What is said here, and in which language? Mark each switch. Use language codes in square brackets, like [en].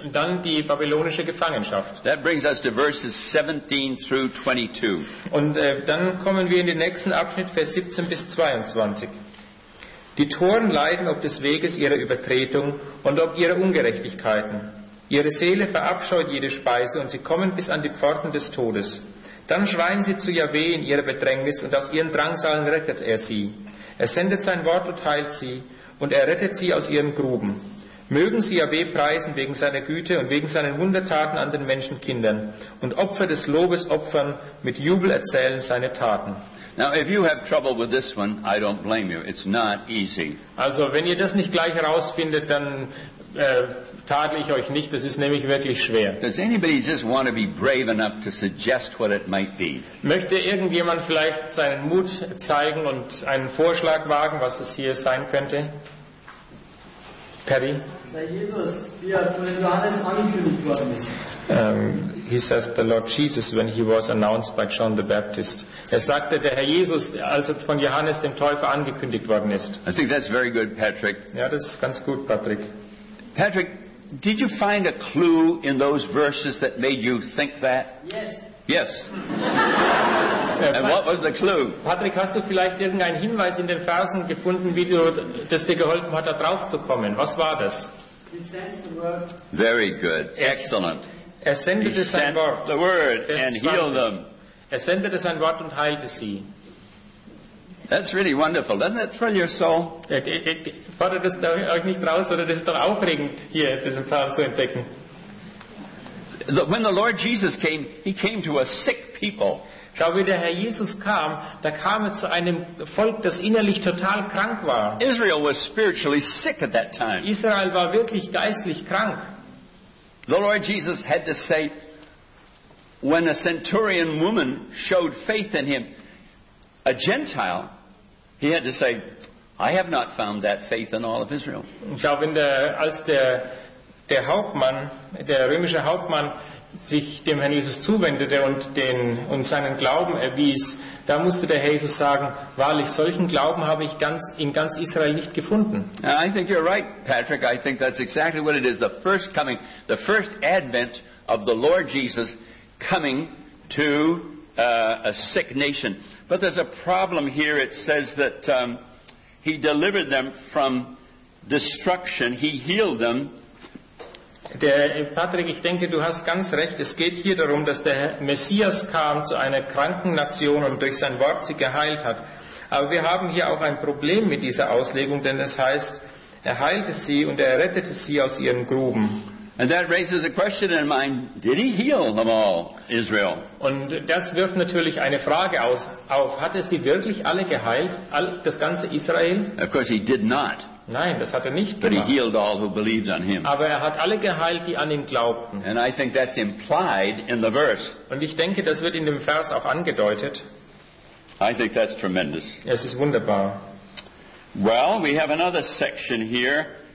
[de] Und dann die babylonische Gefangenschaft. [en] That brings us to verses 17 through 22. [de] Und dann kommen wir in den nächsten Abschnitt, Vers 17 bis 22. Die Toren leiden ob des Weges ihrer Übertretung und ob ihrer Ungerechtigkeiten. Ihre Seele verabscheut jede Speise und sie kommen bis an die Pforten des Todes. Dann schreien sie zu Yahweh in ihrer Bedrängnis und aus ihren Drangsalen rettet er sie. Er sendet sein Wort und heilt sie und er rettet sie aus ihren Gruben. Mögen sie Yahweh preisen wegen seiner Güte und wegen seinen Wundertaten an den Menschenkindern und Opfer des Lobes opfern, mit Jubel erzählen seine Taten. [en] Now, if you have trouble with this one, I don't blame you. It's not easy. [de] Also, wenn ihr das nicht gleich herausfindet, dann tadle ich euch nicht, das ist nämlich wirklich schwer. [en] Does anybody just want to be brave enough to suggest what it might be? [de] Möchte irgendjemand vielleicht seinen Mut zeigen und einen Vorschlag wagen, was es hier sein könnte? [en] Perry? [de] Bei Jesus, wie er von Johannes angekündigt worden ist. [en] He says the Lord Jesus when he was announced by John the Baptist. [de] Er sagte, der Herr Jesus, als er von Johannes dem Täufer angekündigt worden ist. [en] I think that's very good, Patrick. [de] Ja, das ist ganz gut, Patrick. [en] Patrick, did you find a clue in those verses that made you think that? Yes. Yes. And what was the clue? [de] Patrick, hast du vielleicht irgendeinen Hinweis in den Versen gefunden, wie du, das dir geholfen hat, da drauf zu kommen? Was war das? [en] He sends the word. Very good. Excellent. [de] Er sendete sein Wort. [en] The word and healed them. [de] Er sendete sein Wort und heilte sie. [en] That's really wonderful. Doesn't that thrill your soul? [de] Fordert es euch nicht raus, oder das ist doch aufregend, hier diesen Pfad zu entdecken. [en] When the Lord Jesus came, he came to a sick people. [de] Schau, wie der Herr Jesus kam, da kam er zu einem Volk, das innerlich total krank war. [en] Israel was spiritually sick at that time. [de] Israel war wirklich geistlich krank. [en] The Lord Jesus had to say, when a centurion woman showed faith in him, a Gentile, he had to say, I have not found that faith in all of Israel. [de] Schau, wenn der, als der Hauptmann, der römische Hauptmann, sich dem Herrn Jesus zuwendete und seinen Glauben erwies, da musste der Herr Jesus sagen, wahrlich, solchen Glauben habe ich in ganz Israel nicht gefunden. [en] I think you're right, Patrick. I think that's exactly what it is. The first coming, the first advent of the Lord Jesus coming to a sick nation. But there's a problem here. It says that he delivered them from destruction. He healed them. [de] Der Patrick, ich denke, du hast ganz recht. Es geht hier darum, dass der Messias kam zu einer kranken Nation und durch sein Wort sie geheilt hat. Aber wir haben hier auch ein Problem mit dieser Auslegung, denn es heißt, er heilte sie und er rettete sie aus ihren Gruben. [en] And that raises a question in mind, did he heal them all, Israel? [de] Und das wirft natürlich eine Frage auf, hat er sie wirklich alle geheilt, das ganze Israel? [en] Of course he did not. [de] Nein, das hat er nicht gemacht. [en] But he healed all who believed on him. [de] Aber er hat alle geheilt, die an ihn glaubten. [en] And I think that's implied in the verse. [de] Und ich denke, das wird in dem Vers auch angedeutet. [en] I think that's tremendous. [de] Es ist wunderbar. [en] Well, we have another section here.